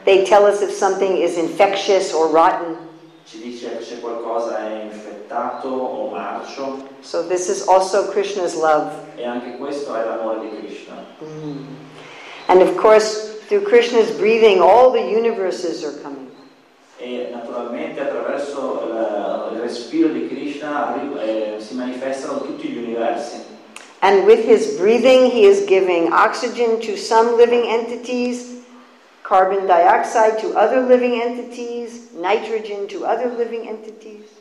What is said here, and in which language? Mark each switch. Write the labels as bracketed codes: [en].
[en] They tell us if something is infectious or rotten. [it] Ci dice se qualcosa è infettato o marcio. [en] So this is also Krishna's love. [it] E anche questo è l'amore di Krishna. [en] And of course, through Krishna's breathing, all the universes are coming. [it] E naturalmente attraverso il respiro di Krishna si manifestano tutti gli universi. [en] And with his breathing, he is giving oxygen to some living entities, carbon dioxide to other living entities, nitrogen to other living entities.